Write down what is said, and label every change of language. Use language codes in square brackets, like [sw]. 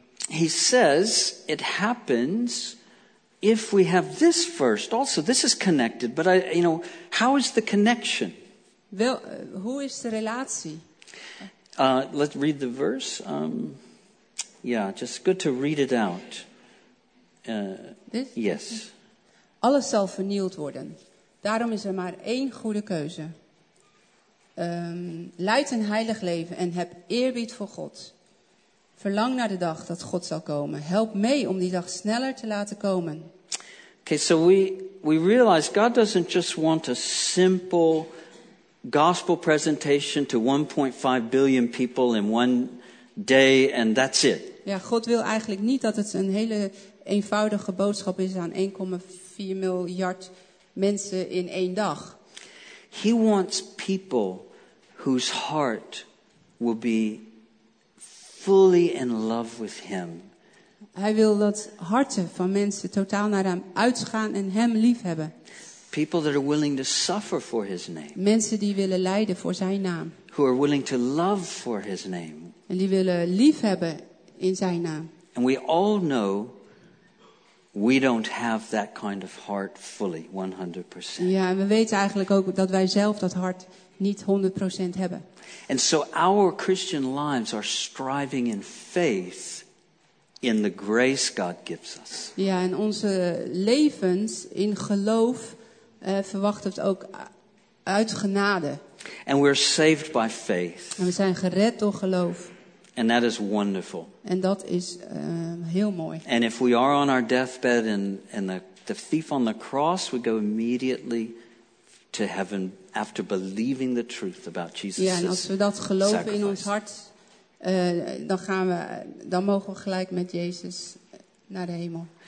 [en] He says it happens if we have this first. Also, this is connected. But how is the connection? [nl] Wel, hoe is de relatie? [en] Let's read the verse. Just good to read it out. [nl] Dit? [en] Yes. [nl] Alles zal vernield worden. Daarom is er maar één goede keuze. Leid een heilig leven en heb eerbied voor God. Verlang naar de dag dat God zal komen. Help mee om die dag sneller te laten komen. [en] Okay, so we realize God doesn't just want a simple gospel presentation to 1.5 billion people in one day and that's it. [nl] Ja, God wil eigenlijk niet dat het een hele eenvoudige boodschap is aan 1,4 miljard mensen in één dag. [en] He wants people whose heart will be fully in love with him. [nl] Hij wil dat harten van mensen totaal naar hem uitgaan en hem lief hebben. [en] People that are willing to suffer for his name. [nl] Mensen die willen lijden voor zijn naam. [en] Who are willing to love for his name. [nl] En die willen lief hebben in zijn naam. [en] And we all know we don't have that kind of heart fully, 100%. [nl] Ja, en we weten eigenlijk ook dat wij zelf dat hart niet 100% hebben. [en] And so our Christian lives are striving in faith in the grace God gives us. [nl] Ja, en onze levens in geloof verwachten het ook uit genade. [en] And we're saved by faith. [nl] En we zijn gered door geloof. [en] And that is wonderful. [nl] En dat is heel mooi. [en] And if we are on our deathbed and the thief on the cross, we go immediately to heaven after believing the truth about Jesus. [nl] Ja, en als we dat geloven [en] sacrifice. [nl] In ons hart, dan mogen we gelijk met Jezus naar de hemel.